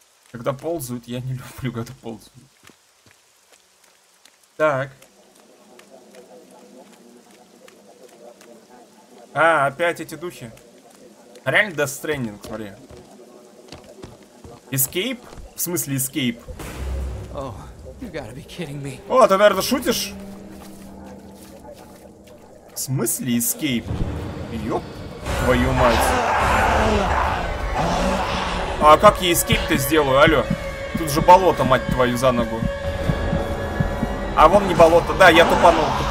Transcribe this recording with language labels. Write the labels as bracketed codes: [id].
[ru] Когда ползают, я не люблю, когда ползают. Так. А, опять эти духи. Реально Death Stranding, смотри. Escape? В смысле escape? [en] Oh, you gotta be kidding me. [ru] О, ты, наверное, шутишь? В смысле escape? Ёп, твою мать. А как я escape-то сделаю, алё? Тут же болото, мать твою, за ногу. А вон не болото. Да, я тупанул.